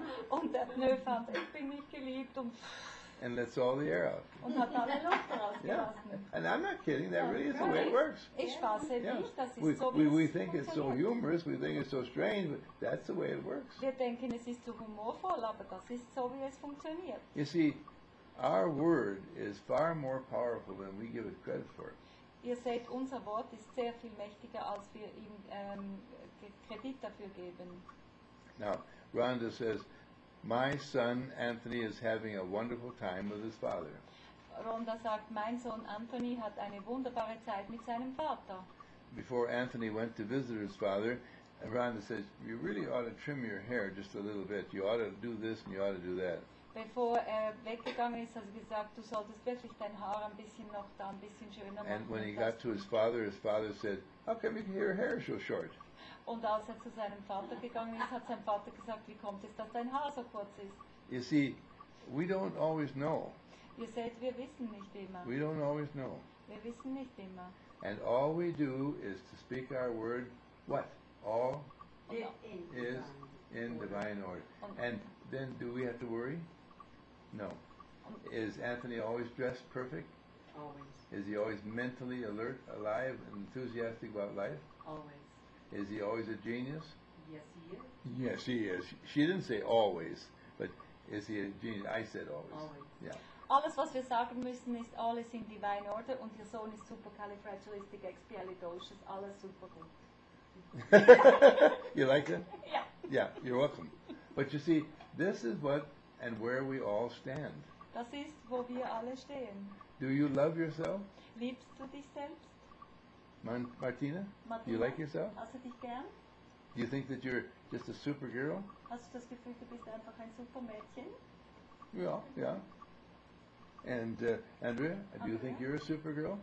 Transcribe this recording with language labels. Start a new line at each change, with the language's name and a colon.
German: Und der Pneu fand, ich bin nicht geliebt. Und
English: and lets all the air out.
German: Und hat alle Luft rausgelassen.
English: Yeah. And I'm not kidding, that really is the way it works.
German: Ich spaße nicht, das ist so,
English: we think it's so humorous, we think it's so strange, but that's the way it works.
German: Wir denken, es ist so humorvoll, aber das ist so, wie es funktioniert.
English: You see, our word is far more powerful than we give it credit for.
German: Ihr seht, unser Wort ist sehr viel mächtiger, als wir ihm Kredit dafür geben.
English: Now, Rhonda says, my son Anthony is having a wonderful time with his father.
German: Rhonda sagt, mein Sohn Anthony hat eine wunderbare Zeit mit seinem Vater.
English: Before Anthony went to visit his father, Rhonda says, you really ought to trim your hair just a little bit. You ought to do this and you ought to do that.
German: Bevor er weggegangen ist, hat sie gesagt, du solltest wirklich dein Haar ein bisschen noch da ein bisschen schöner machen.
English: And when he got to his father said, how come your hair is so short?
German: Und als er zu seinem Vater gegangen ist, hat sein Vater gesagt, wie kommt es, dass dein Haar so kurz ist?
English: You see, we don't always know.
German: Ihr seht, wir wissen nicht immer.
English: We don't always know.
German: Wir wissen nicht immer.
English: And all we do is to speak our word, what? All is in divine order. And then do we have to worry? No. Is Anthony always dressed perfect? Always. Is he always mentally alert, alive, and enthusiastic about life? Always. Is he always a genius? Yes, he is. Yes, he is. She didn't say always, but is he a genius? I said always. Always. Yeah.
German: Alles, was wir sagen müssen, ist alles
English: in divine order,
German: und ihr Sohn ist supercalifragilisticexpialidocious, alles super gut.
English: You like it? Yeah. Yeah, you're welcome. But you see, this is what and where we all stand.
German: Das ist, wo wir alle stehen.
English: Do you love yourself?
German: Liebst du dich selbst?
English: Martina? Martina? Do you like yourself?
German: Hast du dich gern?
English: Do you think that you're just a superhero?
German: Hast du das Gefühl, du bist einfach ein Supermädchen?
English: Yeah, yeah. And Andrea, do you think you're a supergirl?